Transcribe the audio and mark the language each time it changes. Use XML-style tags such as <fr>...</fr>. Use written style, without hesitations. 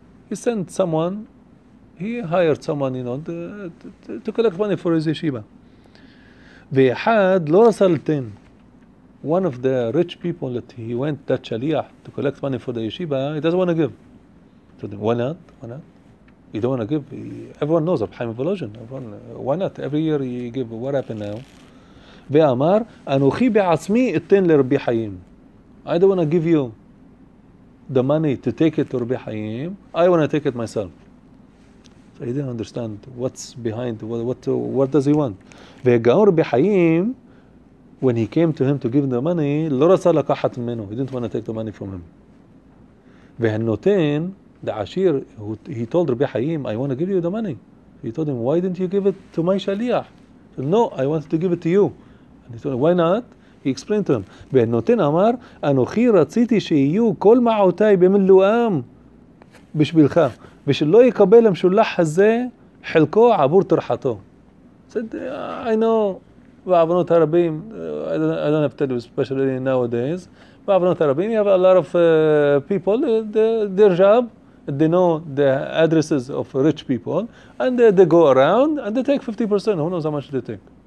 <en>He sent someone, he hired someone, you know, to collect money for his yeshiva.</en> <he>ואחד לא רצה לתן.</he> <en>One of the rich people that he went, that שליח, to collect money for the yeshiva, he doesn't want to give. So, why not? He don't want to give. Everyone knows of Chaim Volozhin. Why not? Every year he give. What happened now?</en> <he>ואמר, אנוכי בעצמי אתן לרבי חיים.</he> <en>I don't want to give you the money to take it to Rabbi Chaim. I want to take it myself. So he didn't understand what's behind. What does he want? V'egaon Rabbi Chaim, when he came to him to give him the money,</en> <he>lo rasa lakachat menu.</he> <en>He didn't want to take the money from him. V'hanoten, the Ashir, he told Rabbi Chaim, I want to give you the money. He told him, why didn't you give it to my shaliach? No, I wanted to give it to you. And he told him, why not? He explained to him.</en> <he>ונותן אמר, אנוכי רציתי שיהיו כל מעותיי במלואם בשבילך, ושלא יקבל המשולח הזה חלקו עבור תרחתו.</he> <en>Said, I know,</en> <he>בעוונות הרבים,</he> <en>I don't have to tell you especially nowadays, בעוונות הרבים, you have a lot of people, their job, they know the addresses of rich people, and they go around, and they take 50%, who knows how much they take.</en>